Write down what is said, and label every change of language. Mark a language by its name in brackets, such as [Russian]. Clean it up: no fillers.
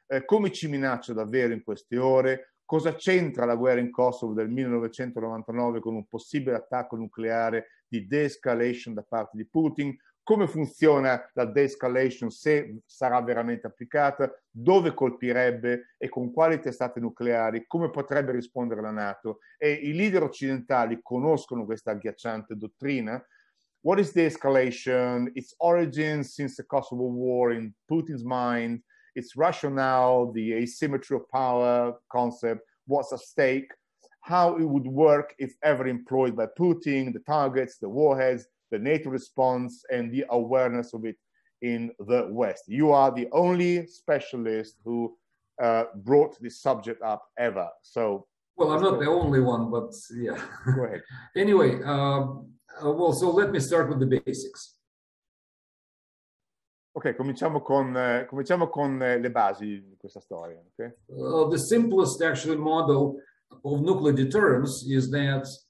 [Italian] Come ci minaccia davvero in queste ore? Cosa c'entra la guerra in Kosovo del 1999 con un possibile attacco nucleare di de-escalation da parte di Putin? Come funziona la de-escalation, se sarà veramente applicata, dove colpirebbe e con quali testate nucleari, come potrebbe rispondere la NATO? E i leader occidentali conoscono questa agghiacciante dottrina? [English] What is de-escalation? Its origins since the Kosovo War in Putin's mind, its rationale, the asymmetry of power concept, what's at stake, how it would work if ever employed by Putin, the targets, the warheads, the NATO response and the awareness of it in the West. You are the only specialist who brought this subject up ever. So, well, I'm not the only one, but yeah. Go ahead. Anyway, well, so let me start with the basics. [Italian] Okay, cominciamo con le basi di questa storia. Okay. [English] The simplest actually model of nuclear deterrence is that.